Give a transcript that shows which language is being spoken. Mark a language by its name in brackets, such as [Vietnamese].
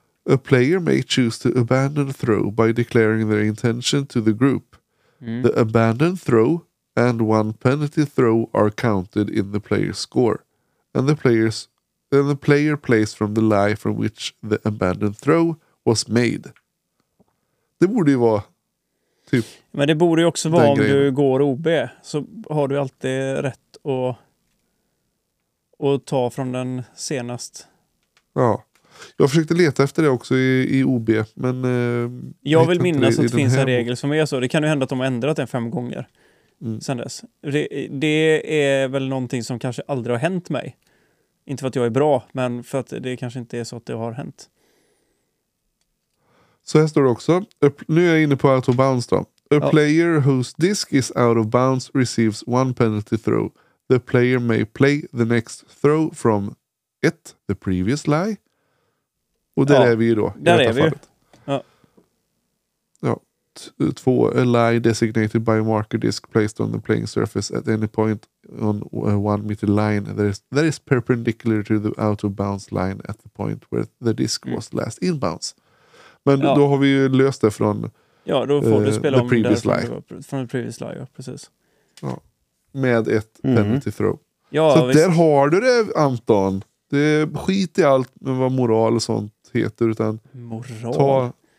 [English] A player may choose to abandon throw by declaring their intention to the group. Mm. The abandoned throw and one penalty throw are counted in the player's score. And the player plays from the lie from which the abandoned throw was made. [Swedish] Det borde ju vara typ. Men det borde ju också vara om grejen. Du går OB, så har du alltid rätt att och ta från den senast. Ja. Jag försökte leta efter det också i OB, men jag vill minnas att det finns en regel som är så. Det kan ju hända att de har ändrat den 5 gånger sen dess. Det är väl någonting som kanske aldrig har hänt mig. Inte för att jag är bra, men för att det kanske inte är så att det har hänt. Så här står det också. Nu är jag inne på out of bounds då. [English] A player whose disc is out of bounds receives one penalty throw. The player may play the next throw from it, the previous lie. [Swedish] Och där är vi ju då. Där är vi ju. Ja. [English] Två, a lie designated by a marker disc placed on the playing surface at any point on a 1 meter line that is perpendicular to the out of bounds line at the point where the disc was last inbounds. [Swedish] Men ja. Då har vi ju löst det från. Ja, då får du spela om det från [English] the previous lie, [Swedish] ja, precis. Ja. Med ett penalty throw. Ja, så visst. Där har du det, Anton. Det skit i allt med vad moral och sånt heter, utan moral.